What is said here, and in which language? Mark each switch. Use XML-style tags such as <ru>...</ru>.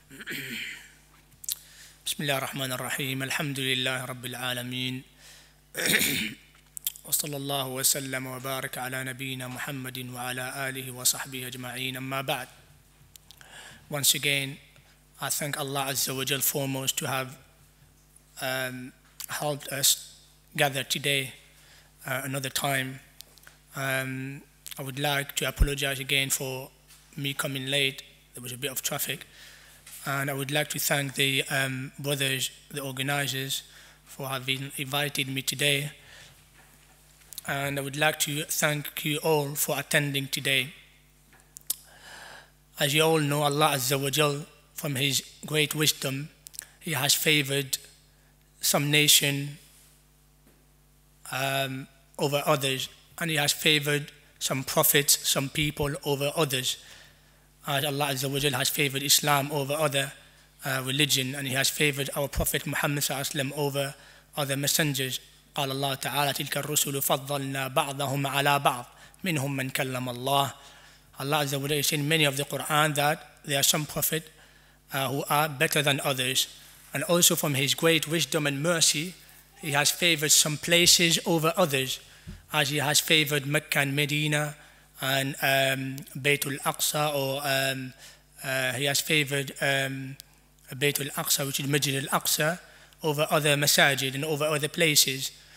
<ar>بسم الله الرحمن الرحيم الحمد لله رب العالمين وصلى الله وسلم وبارك على نبينا محمد وعلى آله وصحبه أجمعين أما بعد.</ar> <en>Once again, I thank Allah Azza wa Jal foremost to have helped us gather today another time. I would like to apologize again for me coming late. There was a bit of traffic. And I would like to thank the brothers, the organizers, for having invited me today. And I would like to thank you all for attending today. As you all know, Allah Azza wa Jal, from His great wisdom, He has favored some nation over others, and He has favored some prophets, some people over others. As Allah Azza wa Jal has favored Islam over other religion, and He has favored our Prophet Muhammad Sallallahu Alaihi Wasallam over other messengers.</en> <ar>قال الله تعالى تلك الرسل فضلنا بعضهم على بعض منهم من كلم الله.</ar> <en>Allah Azza wa Jal said many of the Quran that there are some prophet who are better than others, and also from His great wisdom and mercy, He has favored some places over others, as He has favored Mecca and Medina, and Baytul Aqsa, or He has favored Baytul Aqsa, which is Masjid al-Aqsa, over other masajid and over other places.</en>